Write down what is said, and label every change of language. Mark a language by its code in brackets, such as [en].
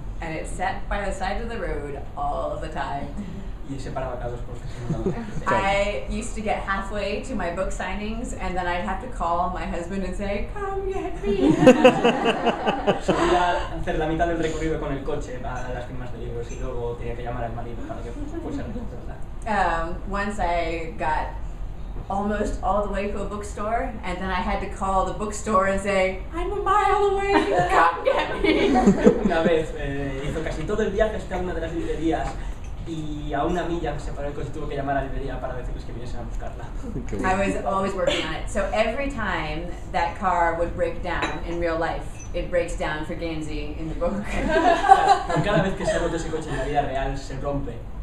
[en] And it sat by the side of the road all the time. [es] Y se paraba cada dos por tres. [en] I used to get halfway to my book signings, and then I'd have to call my husband and say, "Come get me." [es] Solía hacer la mitad del recorrido con el coche para las firmas de libros, y luego tenía que llamar al marido para que fuese a recogerla. [en] Once I got almost all the way to a bookstore, and then I had to call the bookstore and say, "I'm a mile away, come get me." [es] Una vez hizo casi todo el viaje hasta una de las librerías, y a una milla se paró el coche y tuvo que llamar a la librería para decirles que viniesen a buscarla. [en] I was always working on it. So every time that car would break down in real life, it breaks down for Gansey in the book. [es] Cada vez que se rompe ese coche en la vida real, se rompe.